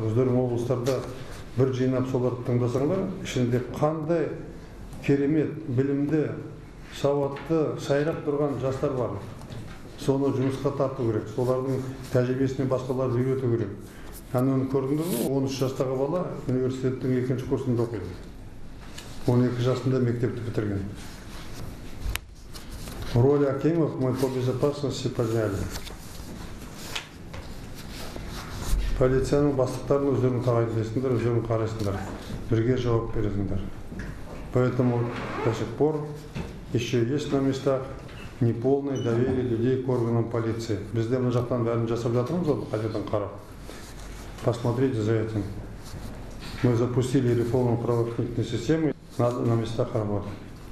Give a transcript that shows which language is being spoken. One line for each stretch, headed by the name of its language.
Kazakh: Өздерің облыстарда бір жинап соларды тыңдасаңдар, ішінде қандай керемет, білімді, сауатты, сайрап тұрған жастар бар. Соны жұмысқа тарту керек. Солардың тәжірибесіне басқалар үйрету керек. Әне оны көрдіңдер ме? 13 жастағы бала университеттің екінші курсында оқиды. 12 жасында мектепті бітірген.
Russian: Роль Акимов мы по безопасности подняли.
Kazakh: Полицияның бастықтарын өздерің тағайындайсыңдар, өздерің қарайсыңдар. Бірге жауап бересіңдер.
Russian: Поэтому до сих пор еще есть на местах неполное доверие людей к органам полиции.
Kazakh: Бізде мына жақтан бәрін жасап жатырмыз, қайтадан қарап.
Russian: Посмотрите за этим. Мы запустили реформу правоохранительной системы. Надо на местах работать.